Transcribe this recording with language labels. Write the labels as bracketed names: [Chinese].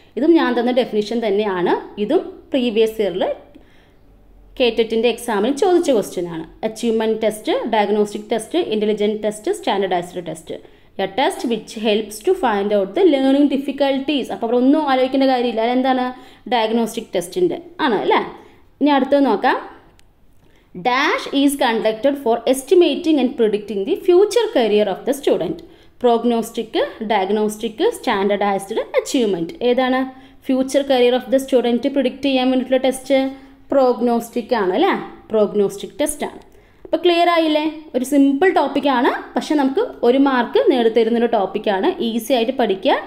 [Malayalam] ഇതും ഞാൻ തന്ന ഡെഫിനിഷൻ തന്നെയാണ്. ഇതും പ്രീവിയസ് ഇയറിൽ കേറ്ററ്റിൻ്റെ എക്സാമിൽ ചോദിച്ച ക്വസ്റ്റ്യൻ ആണ്. [English] Achievement test, diagnostic test, intelligent test, standardized test. A test which helps to find out the learning difficulties. [Malayalam] അപ്പോൾ അവിടെ ഒന്നും ആലോചിക്കേണ്ട കാര്യമില്ല. അതെന്താണ്? ഡയഗ്നോസ്റ്റിക് ടെസ്റ്റിൻ്റെ ആണ് അല്ലേ. ഇനി അടുത്തത് നോക്കാം. [English] Dash is conducted for estimating and predicting the future career of the student. Prognostic, diagnostic, standardized achievement. [Malayalam] ഏതാണ്? [English] future career of the student [Malayalam] predict ചെയ്യാൻ വേണ്ടിയിട്ടുള്ള ടെസ്റ്റ് പ്രോഗ്നോസ്റ്റിക് ആണ് അല്ലേ. പ്രോഗ്നോസ്റ്റിക് ടെസ്റ്റ് ആണ്. അപ്പോൾ ക്ലിയർ ആയില്ലേ? ഒരു സിമ്പിൾ ടോപ്പിക്കാണ്, പക്ഷെ നമുക്ക് ഒരു മാർക്ക് നേടിത്തരുന്ന ഒരു ടോപ്പിക്കാണ്. ഈസി ആയിട്ട് പഠിക്കുക.